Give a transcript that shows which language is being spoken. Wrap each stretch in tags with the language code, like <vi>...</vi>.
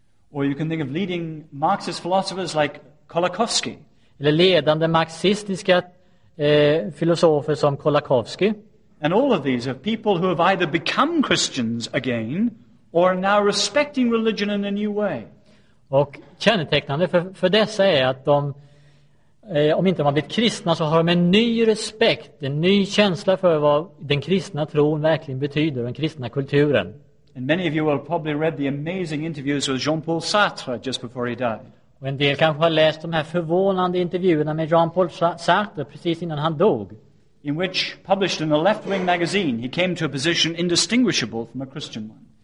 <en>Or you can think of leading Marxist philosophers like Kolakowski.</en> <sv>Eller ledande marxistiska filosofer som Kolakowski.</sv> <en>And all of these are people who have either become Christians again or are now respecting religion in a new way.</en> <sv>Och kännetecknande för dessa är att de, om inte de har blivit kristna, så har de en ny respekt, en ny känsla för vad den kristna tron verkligen betyder, den kristna kulturen.</sv> <en>And many of you will probably read the amazing interviews with Jean-Paul Sartre just before he died.</en> <sv>Och en del kanske har läst de här förvånande intervjuerna med Jean-Paul Sartre precis innan han dog.</sv> <en>In which, published in a left-wing magazine, he came to a position indistinguishable from a Christian one.</en>